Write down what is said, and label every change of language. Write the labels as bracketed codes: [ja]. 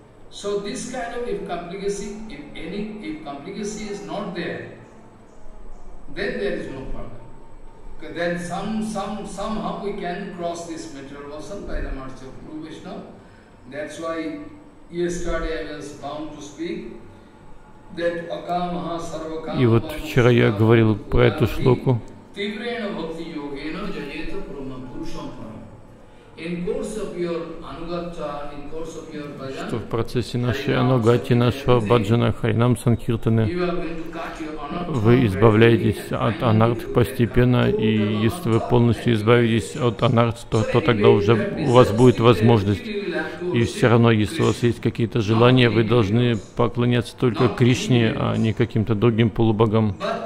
[en] so this kind of if complication, if any, if complication is not there, then there is no problem. Then somehow we can cross this material vessel by the mercy of Guru Vishnu. That's why yesterday I was bound to speak that akamaha sarvakam. [ru] И вот вчера я говорил про эту шлоку. [sa] Tivrena bhakti yogena janeta brahma purusham param. [en] In course of your anugatha, in course of your bhajan, [ru] что в процессе нашей анугати, нашего баджана, харинам, санкиртаны, вы избавляетесь от анартх постепенно, и если вы полностью избавитесь от анартх, то тогда уже у вас будет возможность. И все равно, если у вас есть какие-то желания, вы должны поклоняться только Кришне, а не каким-то другим полубогам.